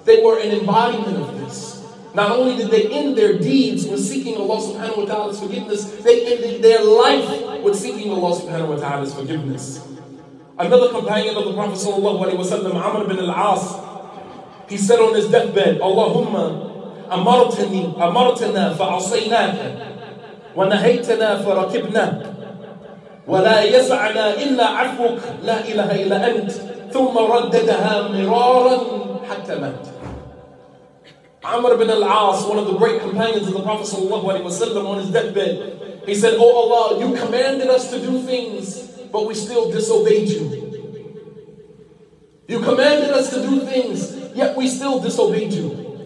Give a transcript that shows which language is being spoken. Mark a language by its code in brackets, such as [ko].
[en] They were an embodiment of this. Not only did they end their deeds with seeking Allah subhanahu wa ta'ala's forgiveness, they ended their life with seeking Allah subhanahu wa ta'ala's forgiveness. Another companion of the Prophet sallallahu alaihi wasallam, Amr bin al-As, he said on his deathbed, Allahumma, [ar] أمرتنا فعصيناك ونهيتنا فركبنا ولا يسعنا إلا عفوك لا إله إلا أنت ثم رددها مرارا حتى مات. [en] Amr ibn al-As, one of the great companions of the Prophet sallallahu alayhi wa sallam, on his deathbed, he said, "Oh Allah, you commanded us to do things, but we still disobeyed you. You commanded us to do things, yet we still disobeyed you.